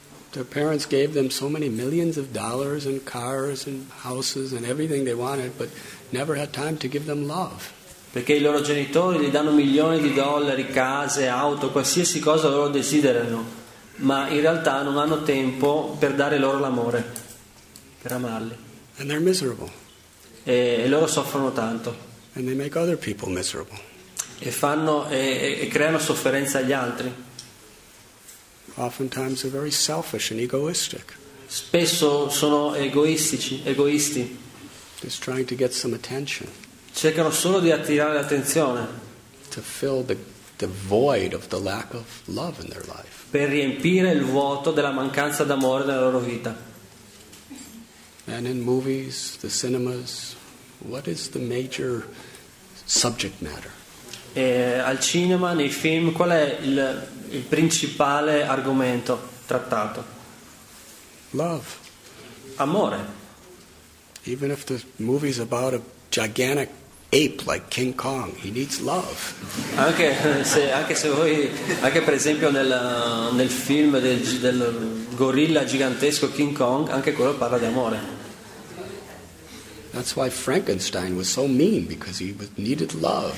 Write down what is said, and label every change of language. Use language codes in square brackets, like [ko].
[en] Their parents gave them so many millions of dollars and cars and houses and everything they wanted, but never had time to give them love. [it] Perché i loro genitori gli danno milioni di dollari, case, auto, qualsiasi cosa loro desiderano, ma in realtà non hanno tempo per dare loro l'amore, per amarli. [en] And they're miserable. [it] E loro soffrono tanto. [en] And they make other people miserable. [it] E creano sofferenza agli altri. [en] Oftentimes they're very selfish and egoistic. [it] Spesso sono egoistici, egoisti. [en] Just trying to get some attention. [it] Cercano solo di attirare l'attenzione. [en] To fill the void of the lack of love in their life. [it] Per riempire il vuoto della mancanza d'amore nella loro vita. [en] And in movies, the cinemas, what is the major subject matter? [it] Al cinema, nei film, qual è il principale argomento trattato? [en] Love. [it] Amore. [en] Even if the movie is about a gigantic ape like King Kong, he needs love. [it] Anche per esempio nel film del gorilla gigantesco King Kong, anche quello parla di amore. [en] That's why Frankenstein was so mean, because he needed love.